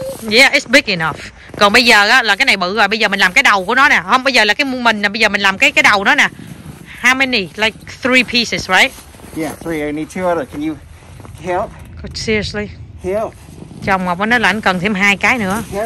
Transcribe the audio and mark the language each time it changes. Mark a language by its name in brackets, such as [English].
[English] Yeah, it's big enough. [Vietnamese] Còn bây giờ á, là cái này bự rồi. Bây giờ mình làm cái đầu của nó nè. Không, bây giờ là cái mình nè. Bây giờ mình làm cái đầu nó nè. [English] How many? Like three pieces, right? Yeah, three. I need two other. Can you help? God, seriously? Help. [Vietnamese] Chồng Ngọc nói là anh cần thêm hai cái nữa.